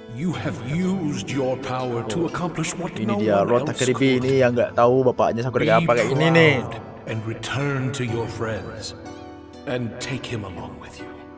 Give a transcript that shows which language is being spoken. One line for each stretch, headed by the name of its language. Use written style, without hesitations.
English: You have used your power to accomplish what
Indonesian: ini dia Lord Takaribi ini yang enggak tahu bapaknya sampai apa kayak ini nih.
English: And return to your friends and take him along with you.